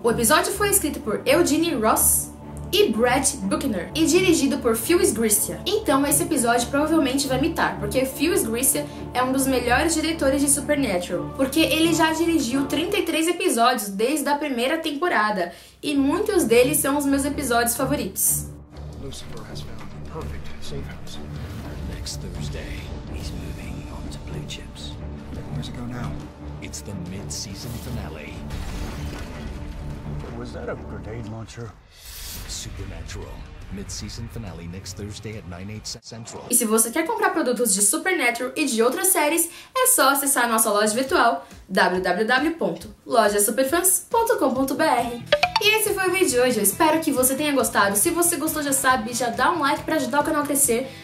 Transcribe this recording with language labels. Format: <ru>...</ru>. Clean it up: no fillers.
<pt>O episódio foi escrito por Eugene Ross e Brett Buchner, e dirigido por Phil Sgrisia. Então, esse episódio provavelmente vai mitar, porque Phil Sgrisia é um dos melhores diretores de Supernatural, porque ele já dirigiu 33 episódios desde a primeira temporada, e muitos deles são os meus episódios favoritos.</pt> <en>Lucifer has found the perfect safe house. Next Thursday, he's moving on to Blue Chips. Where's it go now? It's the mid-season finale. Was that a grenade launcher? Supernatural, mid-season finale next Thursday at 9/8 Central.</en> <pt>E se você quer comprar produtos de Supernatural e de outras séries, é só acessar a nossa loja virtual www.lojasuperfans.com.br. E esse foi o vídeo de hoje, eu espero que você tenha gostado. Se você gostou, já sabe, já dá um like para ajudar o canal a crescer.</pt>